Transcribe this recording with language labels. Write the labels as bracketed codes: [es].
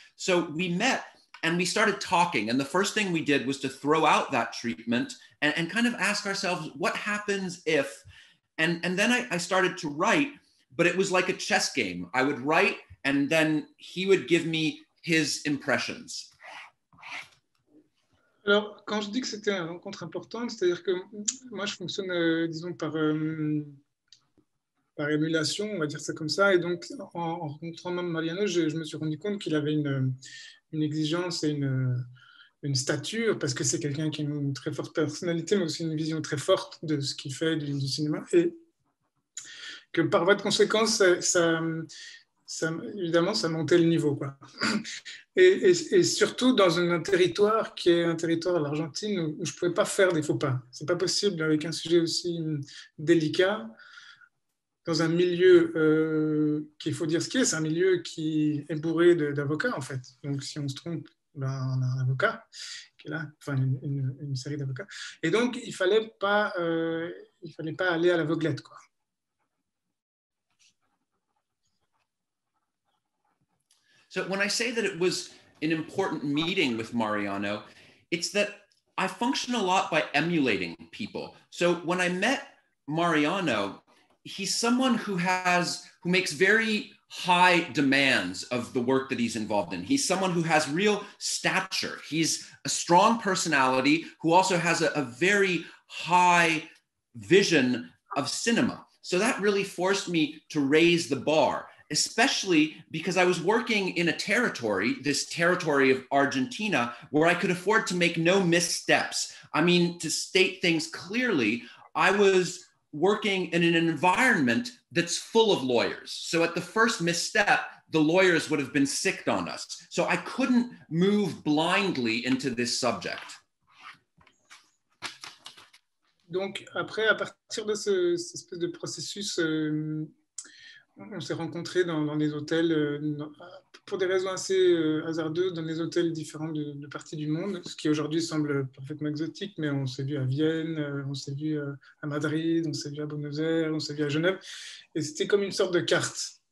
[en] So we met and we started talking. And the first thing we did was to throw out that treatment and kind of ask ourselves, what happens if? And then I started to write, but it was like a chess game. I would write and then he would give me his impressions. [fr] Alors, quand je dis que c'était une rencontre importante, c'est-à-dire que moi, je fonctionne, disons, par émulation, on va dire ça comme ça. Et donc, en rencontrant même Mariano, je me suis rendu compte qu'il avait une exigence et une stature, parce que c'est quelqu'un qui a une très forte personnalité, mais aussi une vision très forte de ce qu'il fait du cinéma, et que par voie de conséquence, ça, évidemment, ça montait le niveau, quoi. Et surtout dans un territoire qui est un territoire à l'Argentine où je ne pouvais pas faire des faux pas. Ce n'est pas possible avec un sujet aussi délicat, dans un milieu qu'il faut dire ce qu'il est, c'est un milieu qui est bourré d'avocats, en fait. Donc, si on se trompe, ben, on a un avocat qui est là, enfin, une série d'avocats. Et donc, il ne fallait, fallait pas aller à l'aveuglette, quoi. [en] So when I say that it was an important meeting with Mariano, it's that I function a lot by emulating people. So when I met Mariano, he's someone who makes very high demands of the work that he's involved in. He's someone who has real stature. He's a strong personality who also has a very high vision of cinema. So that really forced me to raise the bar, especially because I was working in a territory, this territory of Argentina, where I could afford to make no missteps. I mean, to state things clearly, I was working in an environment that's full of lawyers. So at the first misstep, the lawyers would have been sicked on us. So I couldn't move blindly into this subject. [fr] Donc après, à partir de ce espèce de processus, on s'est rencontrés dans les hôtels, pour des raisons assez hasardeuses, dans des hôtels différents de parties du monde, ce qui aujourd'hui semble parfaitement exotique, mais on s'est vu à Vienne, on s'est vu à Madrid, on s'est vu à Buenos Aires, on s'est vu à Genève, et c'était comme une sorte de carte.